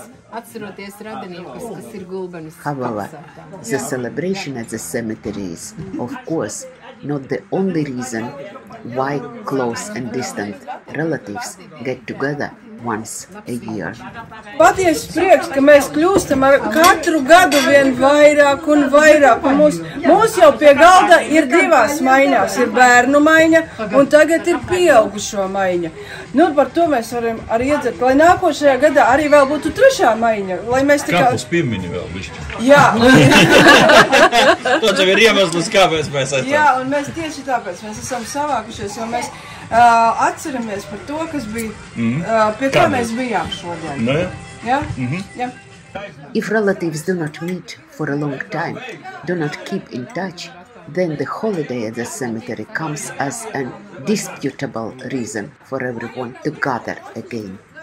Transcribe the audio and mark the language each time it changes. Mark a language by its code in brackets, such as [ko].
[lv] However, the celebration at the cemetery is, of course, not the only reason why close and distant relatives get together once a year. Paties prieks, ka mēs kļūstam ar katru gadu vien vairāk un vairāk. Mums jau pie galda ir divās maiņās. Ir bērnu maiņa un tagad ir pieaugušo maiņa. Nu, par to mēs varam arī iedzert. Lai nākošajā gadā arī vēl būtu trešā maiņa. Lai mēs tikai... Kapus piemiņu vēl bišķi. Jā. To jau ir iemazlis, kāpēc mēs esam. Jā, un mēs tieši tāpēc mēs esam savākušies, jo mēs atceramies par to, kas bija, pie kā mēs bijām šodien. Nē. Jā? Jā. [en] If relatives do not meet for a long time, do not keep in touch, then the holiday at the cemetery comes as an disputable reason for everyone to gather again.